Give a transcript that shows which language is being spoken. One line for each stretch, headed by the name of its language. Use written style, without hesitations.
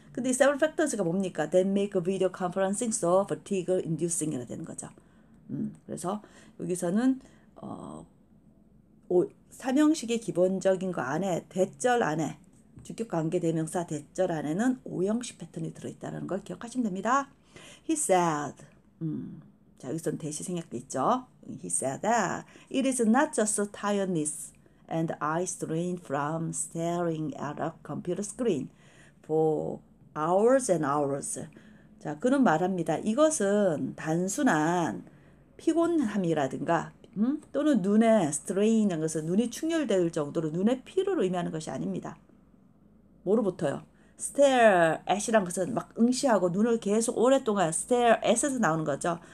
Korean: 근데 이
English: several factors가
Korean: 뭡니까?
English: That make a video conferencing so fatigue inducing이라
Korean: 되는 거죠. 그래서 여기서는 3형식의 기본적인 거 안에 대절 안에 주격관계대명사 대절 안에는 5형식 패턴이 들어있다는 걸 기억하시면 됩니다.
English: He said,
Korean: 자, 여기서는 대시 생략돼 있죠.
English: He said that it is not just tiredness and eye strain from staring at a computer screen for hours and hours.
Korean: 자, 그는 말합니다. 이것은 단순한 피곤함이라든가 또는 눈에 strain이라는 것은 눈이 충혈될 정도로 눈의 피로를 의미하는 것이 아닙니다. 뭐로부터요? stare at이란 것은 막 응시하고 눈을 계속 오랫동안 stare at에서 나오는 거죠.